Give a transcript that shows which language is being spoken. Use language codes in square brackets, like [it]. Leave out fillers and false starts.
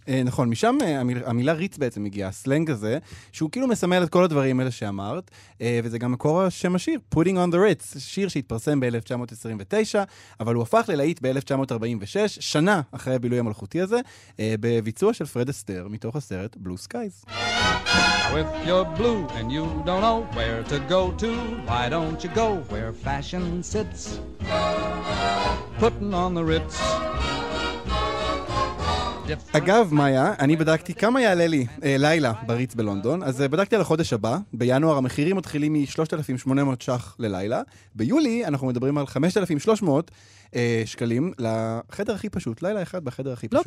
[he] נכון, משם המילה ריץ בעצם הגיעה, הסלנג הזה, שהוא כאילו מסמל את כל הדברים האלה שאמרת, וזה גם מקור השם השיר, Putting on the Ritz, שיר שהתפרסם ב-1929, אבל הוא הפך ללהיט ב-1946, שנה אחרי הבילוי המלכותי הזה, בביצוע של פרד אסטר, מתוך הסרט Blue Skies. [en] With your blue and you don't know where to go to, why don't you go where fashion sits, putting on the Ritz. [he] אגב, מאיה, אני בדקתי כמה יעלה לי לילה בריץ בלונדון, אז בדקתי על החודש הבא, בינואר המחירים מתחילים מ-3,800 שח ללילה, ביולי אנחנו מדברים על 5,300 שקלים לחדר הכי פשוט, לילה אחד בחדר הכי פשוט.